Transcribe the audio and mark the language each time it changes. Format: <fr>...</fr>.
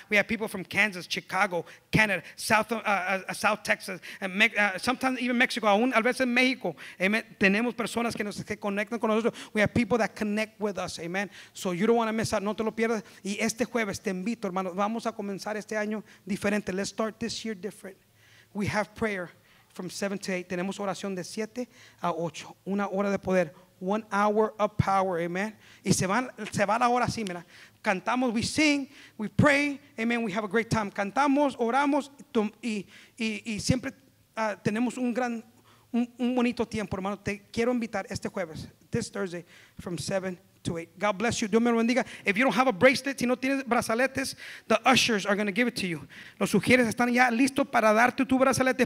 <en>We have people from Kansas, Chicago, Canada, South Texas, and sometimes even Mexico.</en> <es>Aún a veces México. Amen. Tenemos personas que nos que conectan con nosotros.</es> <en>We have people that connect with us, amen. So you don't want to miss out.</en> <es>No te lo pierdas. Y este jueves te invito, hermanos. Vamos a comenzar este año diferente.</es> <en>Let's start this year different. We have prayer from 7 to 8.</en> <es>Tenemos oración de 7 a 8. Una hora de poder.</es> <en>1 hour of power, amen.</en> <es>Y se va la hora así, mira. Cantamos,</es> <en>we sing, we pray, amen, we have a great time.</en> <es>Cantamos, oramos, y siempre tenemos un bonito tiempo, hermano. Te quiero invitar este jueves,</es> <en>this Thursday, from 7 to 8. God bless you.</en> <es>Dios me lo bendiga.</es> <en>If you don't have a bracelet,</en> <es>si no tienes brazaletes,</es> <en>the ushers are going to give it to you.</en> <es>Los sugieres están ya listos para darte tu brazalete.</es>